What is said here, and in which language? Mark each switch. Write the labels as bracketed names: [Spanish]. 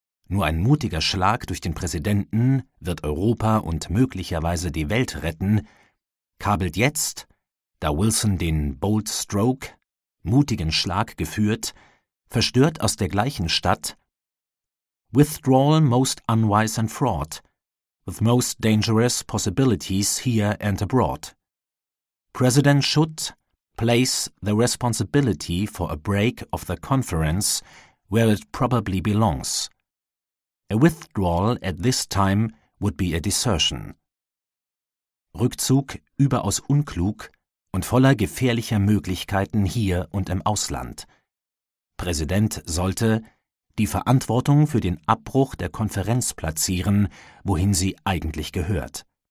[German] nur ein mutiger Schlag durch den Präsidenten wird Europa und möglicherweise die Welt retten, kabelt jetzt, da Wilson den Bold Stroke, mutigen Schlag geführt, verstört aus der gleichen Stadt: [English] Withdrawal most unwise and fraught, with most dangerous possibilities here and abroad. President should, place the responsibility for a break of the conference where it probably belongs. A withdrawal at this time would be a desertion. [German] Rückzug überaus unklug und voller gefährlicher Möglichkeiten hier und im Ausland. Präsident sollte die Verantwortung für den Abbruch der Konferenz platzieren, wohin sie eigentlich gehört.